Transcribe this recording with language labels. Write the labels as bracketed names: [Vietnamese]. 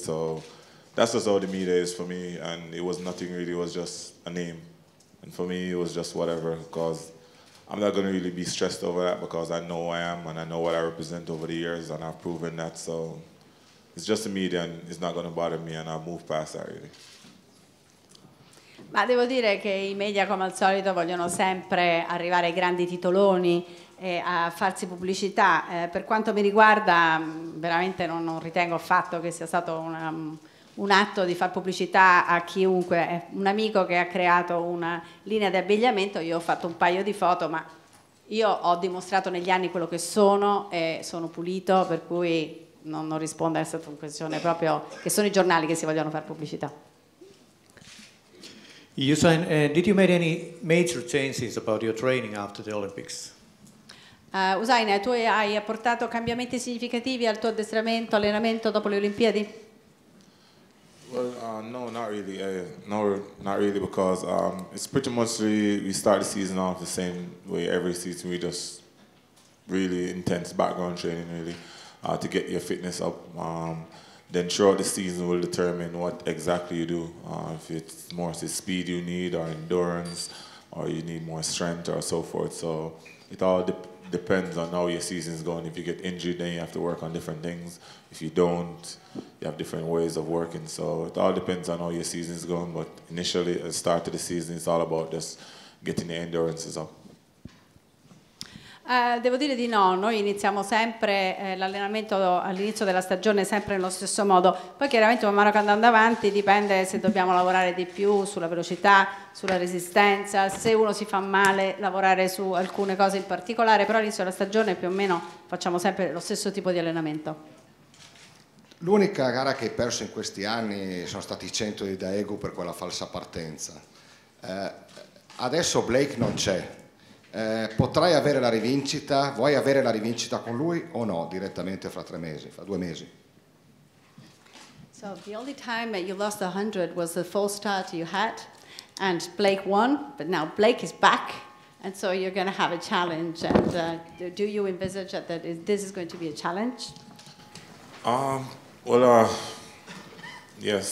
[English] So that's just how the media is for me, and it was nothing really, it was just a name. And for me it was just whatever, because I'm not going to really be stressed over that because I know who I am and I know what I represent over the years and I've proven that, so it's just the media and it's not going to bother me and I'll move past that really. [Italian] Ma devo dire che i media come al solito vogliono sempre arrivare ai grandi titoloni e a farsi pubblicità. Per quanto mi riguarda veramente non ritengo affatto che sia stato un atto di far pubblicità a chiunque. È un amico che ha creato una linea di abbigliamento, io ho fatto un paio di foto, ma io ho dimostrato negli anni quello che sono e sono pulito, per cui non rispondo, è stata una questione proprio che sono i giornali che si vogliono fare pubblicità. [English] Usain, did you make any major changes about your training after the Olympics? [Italian] Usain, tu hai apportato cambiamenti significativi al tuo addestramento, allenamento dopo le Olimpiadi? [English] Well, no, not really. No, not really, because it's pretty much we start the season off the same way every season. We just really intense background training, really, to get your fitness up. Then throughout the season will determine what exactly you do. If it's more the speed you need, or endurance, or you need more strength, or so forth. So it all depends on how your season's going. If you get injured, then you have to work on different things. If you don't, you have different ways of working. So it all depends on how your season's going. But initially, at the start of the season, it's all about just getting the endurances up. [Italian] Devo dire di no, noi iniziamo sempre l'allenamento all'inizio della stagione sempre nello stesso modo, poi chiaramente man mano che andando avanti dipende se dobbiamo lavorare di più sulla velocità, sulla resistenza, se uno si fa male lavorare su alcune cose in particolare, però all'inizio della stagione più o meno facciamo sempre lo stesso tipo di allenamento. L'unica gara che hai perso in questi anni sono stati 100 di Daegu per quella falsa partenza, adesso Blake non c'è. Potrai avere la rivincita? Vuoi avere la rivincita con lui o no? Direttamente fra tre mesi, fra due mesi. [English] So the only time that you lost 100 was the false start you had, and Blake won. But now Blake is back, and so you're going to have a challenge. And do you envisage that this is going to be a challenge? Well, yes.